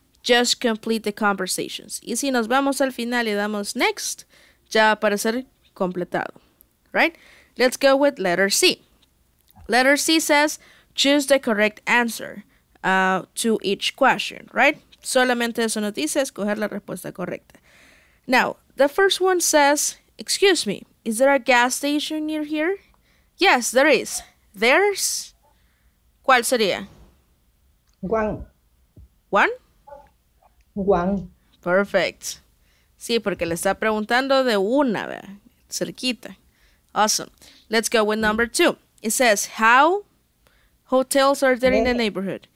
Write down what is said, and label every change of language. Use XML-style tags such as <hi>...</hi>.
<en>Just complete the conversations.</en> <es>Y si nos vamos al final y damos next, ya para ser completado, right?</es> <en>Let's go with letter C. Letter C says, choose the correct answer to each question, right?</en> <es>Solamente eso nos dice, escoger la respuesta correcta.</es> <en>Now, the first one says, excuse me, is there a gas station near here? Yes, there is. There's?</en> <es>¿Cuál sería?</es> <en>One. One. Perfect.</en> <es>Sí, porque le está preguntando de una, ¿verdad? Cerquita.</es> <en>Awesome. Let's go with number two. It says, how hotels are there many. In the neighborhood?</en>